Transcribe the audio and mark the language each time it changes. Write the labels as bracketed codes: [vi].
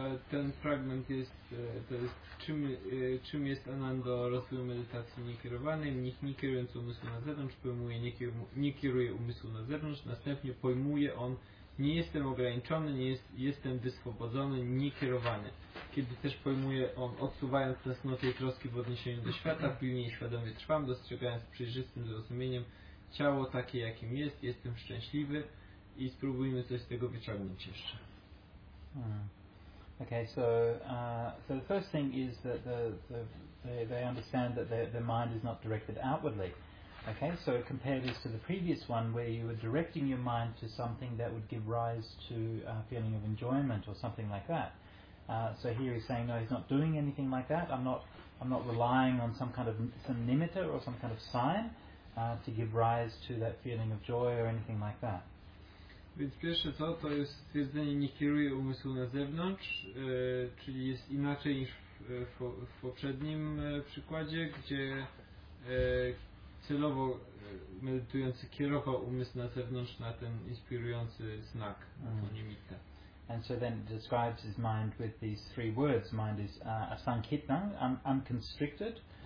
[pl] Ten fragment jest, to jest czym jest Ananda rozwój medytacji niekierowanej, mnich nie kierując umysłu na zewnątrz, pojmuje, nie kieruje umysłu na zewnątrz, następnie pojmuje on, nie jestem ograniczony, jestem wyswobodzony, nie kierowany. Kiedy też pojmuje on, odsuwając tęsknoty i troski w odniesieniu do świata, pilnie i świadomie trwam, dostrzegając przejrzystym zrozumieniem ciało takie, jakim jest, jestem szczęśliwy i spróbujmy coś z tego wyciągnąć jeszcze. [en] Okay, so the first thing is that they understand that their mind is not directed outwardly. Okay, so compare this to the previous one where you were directing your mind to something that would give rise to a feeling of enjoyment or something like that. So here he's saying, no, he's not doing anything like that. I'm not relying on some kind of some nimitta or some kind of sign to give rise to that feeling of joy or anything like that. [pl] Więc pierwsze co, to jest stwierdzenie, nie kieruje umysłu na zewnątrz, czyli jest inaczej niż w poprzednim przykładzie, gdzie celowo medytujący kierował umysł na zewnątrz, na ten inspirujący znak, na tą nimitę. [en] And so then describes his mind with these three words. Mind is asankhitna, unconstricted.